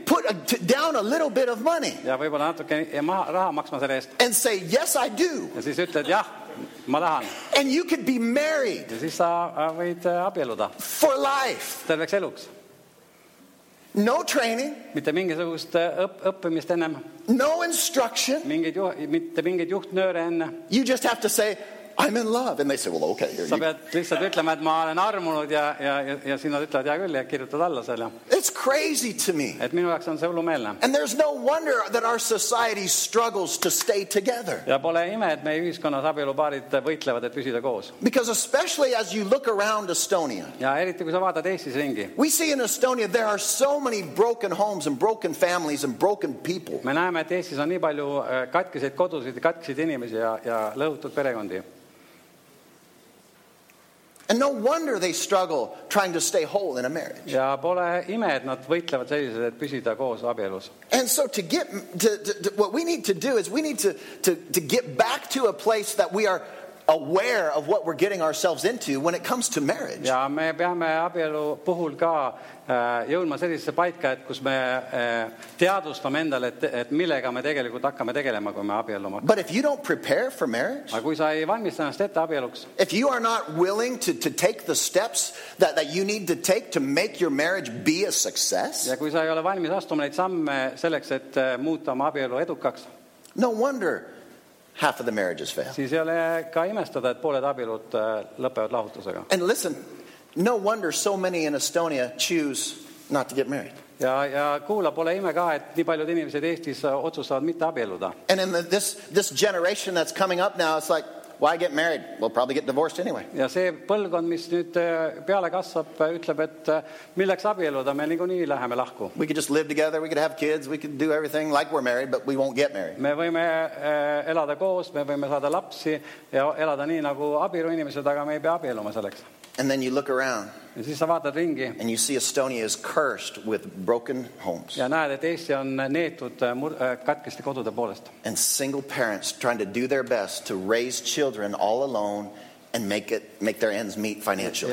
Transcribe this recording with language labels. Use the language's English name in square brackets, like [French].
[English] Put down a little bit of money. [Estonian] Ja võibolla natuke raha maksma selle eest. [English] And say, yes, I do. [Estonian] Ja siis ütled, jah. Ma tahan. [English] And you could be married. [Estonian] Ja siis sa võid abieluda. [English] For life. [Estonian] Terveks eluks. [English] No training. [Estonian] Mitte mingisugust õppimist ennem. [English] No instruction. [Estonian] Mitte mingit juhtnööre enne. [English] You just have to say, I'm in love. And they say, well, okay, here you go. [Estonian] Sa pead lihtsalt ütlema, et ma olen armunud ja sinna ütlevad, ja küll, ja kirjutad alla selle. [English] It's crazy to me. [Estonian] Et minu jaoks on see hullumeelne. [English] And there's no wonder that our society struggles to stay together. [Estonian] Ja pole ime, et meie ühiskonnas abielupaarid võitlevad, et püsida koos. [English] Because especially as you look around Estonia. [Estonian] Ja eriti, kui sa vaatad Eestis ringi. [English] We see in Estonia there are so many broken homes and broken families and broken people. [Estonian] Me näeme, et Eestis on nii palju katkiseid kodusid, katkiseid inimesi ja lõhutud perekondi. [English] And no wonder they struggle trying to stay whole in a marriage. [Estonian] Ja pole ime, et nad võitlevad sellised, et püsida koos abielus. [English] And so to get to what we need to do is we need to get back to a place that we are aware of what we're getting ourselves into when it comes to marriage. [Estonian] Ja me peame abielu puhul ka jõudma sellisesse paika, et kus me teadustame endale, et millega me tegelikult hakkame tegelema, kui me abielluma. [English] But if you don't prepare for marriage, [Estonian] aga kui sa ei valmista ennast ette abieluks, [English] if you are not willing to take the steps that you need to take to make your marriage be a success, [Estonian] ja kui sa ei ole valmis astuma neid samme selleks, et muuta oma abielu edukaks, [English] no wonder half of the marriages fail. [Estonian] Siis ei ole ka imestada, et pooled abielud lõpevad lahutusega. [English] And listen, no wonder so many in Estonia choose not to get married. [Estonian] Ja kuula, pole ime ka, et nii paljud inimesed Eestis otsustavad mitte abielluda. [English] And in this generation that's coming up now, it's like, why get married? We'll probably get divorced anyway. [Estonian] Ja see põlgond, mis nüüd peale kasvab, ütleb, et milleks abielluda, me nii kui nii läheme lahku. [English] We could just live together, we could have kids, we could do everything like we're married, but we won't get married. [Estonian] Me võime elada koos, me võime saada lapsi ja elada nii nagu abielu inimesed, aga me ei pea abielluma selleks. [English] And then you look around. [Estonian] Ja siis sa vaatad ringi. [English] And you see Estonia is cursed with broken homes. [Estonian] Ja näed, et Eesti on neetud katkeste kodude poolest. [English] And single parents trying to do their best to raise children all alone and make their ends meet financially.